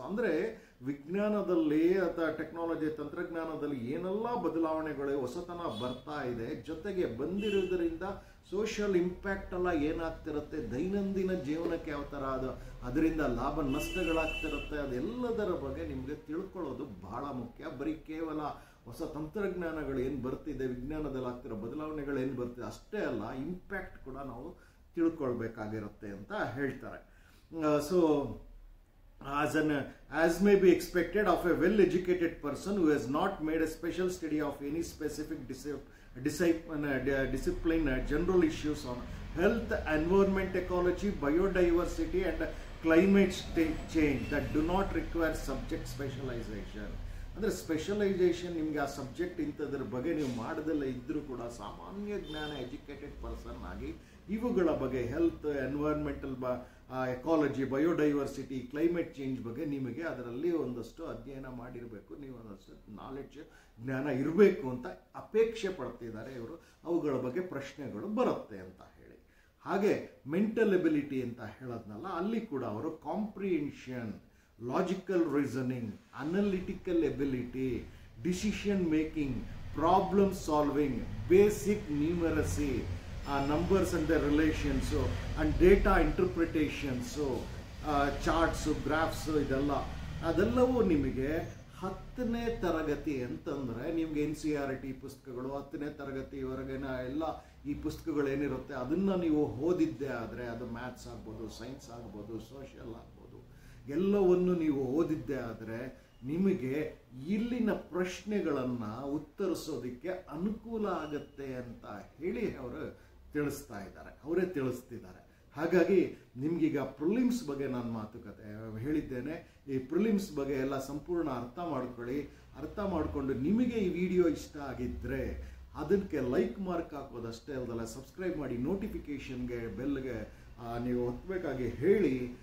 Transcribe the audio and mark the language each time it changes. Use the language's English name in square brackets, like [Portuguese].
[Kannada] ಅಂದರೆ ವಿಜ್ಞಾನದಲ್ಲಿ ಅಥವಾ ಟೆಕ್ನಾಲಜಿ ತಂತ್ರಜ್ಞಾನದಲ್ಲಿ ಏನೆಲ್ಲ ಬದಲಾವಣೆಗಳು ಹೊಸತನ ಬರ್ತಾ ಇದೆ, ಜೊತೆಗೆ ಬಂದಿರುವುದರಿಂದ ಸೋಷಿಯಲ್ ಇಂಪ್ಯಾಕ್ಟ್ ಎಲ್ಲ ಏನಾಗ್ತಿರುತ್ತೆ, ದೈನಂದಿನ ಜೀವನಕ್ಕೆ ಯಾವ ಥರ ಅದು ಅದರಿಂದ ಲಾಭ ನಷ್ಟಗಳಾಗ್ತಿರುತ್ತೆ, ಅದೆಲ್ಲದರ ಬಗ್ಗೆ ನಿಮಗೆ ತಿಳ್ಕೊಳ್ಳೋದು ಬಹಳ ಮುಖ್ಯ. ಬರೀ ಕೇವಲ ಹೊಸ ತಂತ್ರಜ್ಞಾನಗಳು ಏನು ಬರ್ತಿದೆ, ವಿಜ್ಞಾನದಲ್ಲಿ ಆಗ್ತಿರೋ ಬದಲಾವಣೆಗಳು ಏನು ಬರ್ತಿದೆ ಅಷ್ಟೇ ಅಲ್ಲ, ಇಂಪ್ಯಾಕ್ಟ್ ಕೂಡ ನಾವು ತಿಳ್ಕೊಳ್ಬೇಕಾಗಿರುತ್ತೆ ಅಂತ ಹೇಳ್ತಾರೆ. So [English] As may be expected of a well-educated person who has not made a special study of any specific discipline, general issues on health, environment, ecology, biodiversity and climate change that do not require subject specialization. [Kannada] ಅಂದರೆ specialisation ನಿಮಗೆ ಆ subject ಇಂಥದ್ರ ಬಗ್ಗೆ ನೀವು ಮಾಡೋದಲ್ಲ ಇದ್ದರೂ ಕೂಡ ಸಾಮಾನ್ಯ ಜ್ಞಾನ ಎಜುಕೇಟೆಡ್ ಪರ್ಸನ್ ಆಗಿ ಇವುಗಳ ಬಗ್ಗೆ health, environmental ecology, biodiversity, climate change ಬಗ್ಗೆ ನಿಮಗೆ ಅದರಲ್ಲಿ ಒಂದಷ್ಟು ಅಧ್ಯಯನ ಮಾಡಿರಬೇಕು, ನೀವು ಒಂದಷ್ಟು ನಾಲೆಡ್ಜ್ ಜ್ಞಾನ ಇರಬೇಕು ಅಂತ ಅಪೇಕ್ಷೆ ಪಡ್ತಿದ್ದಾರೆ ಇವರು. ಅವುಗಳ ಬಗ್ಗೆ ಪ್ರಶ್ನೆಗಳು ಬರುತ್ತೆ ಅಂತ ಹೇಳಿ. ಹಾಗೆ ಮೆಂಟಲ್ ಎಬಿಲಿಟಿ ಅಂತ ಹೇಳೋದ್ನಲ್ಲ, ಅಲ್ಲಿ ಕೂಡ ಅವರು comprehension, [English] logical reasoning, analytical ability, decision making, problem solving, basic numeracy, numbers and their relations, so, and data interpretation, so charts, graphs, [Kannada] idella adellavu nimge 10ne taragati antandre nimge NCERT pustakagalu 10ne taragati varagena ella ee pustakagalu enirutte adanna neevu hodidde aadre adu maths aagabodu science aagabodu social aagabodu ellavannu neevu hodidde aadre ನಿಮಗೆ ಇಲ್ಲಿನ ಪ್ರಶ್ನೆಗಳನ್ನು ಉತ್ತರಿಸೋದಕ್ಕೆ ಅನುಕೂಲ ಆಗತ್ತೆ ಅಂತ ಹೇಳಿ ಅವರು ತಿಳಿಸ್ತಾ ಇದ್ದಾರೆ, ಅವರೇ ತಿಳಿಸ್ತಿದ್ದಾರೆ. ಹಾಗಾಗಿ ನಿಮಗೀಗ ಪ್ರಿಲಿಮ್ಸ್ ಬಗ್ಗೆ ನಾನು ಮಾತುಕತೆ ಹೇಳಿದ್ದೇನೆ. ಈ ಪ್ರಿಲಿಮ್ಸ್ ಬಗ್ಗೆ ಎಲ್ಲ ಸಂಪೂರ್ಣ ಅರ್ಥ ಮಾಡ್ಕೊಳ್ಳಿ. ಅರ್ಥ ಮಾಡಿಕೊಂಡು ನಿಮಗೆ ಈ ವಿಡಿಯೋ ಇಷ್ಟ ಆಗಿದ್ದರೆ ಅದಕ್ಕೆ ಲೈಕ್ ಮಾರ್ಕ್ ಹಾಕೋದಷ್ಟೇ ಅಲ್ಲದಲ್ಲ, ಸಬ್ಸ್ಕ್ರೈಬ್ ಮಾಡಿ ನೋಟಿಫಿಕೇಷನ್ಗೆ ಬೆಲ್ಗೆ ನೀವು ಒತ್ತಬೇಕಾಗಿ ಹೇಳಿ.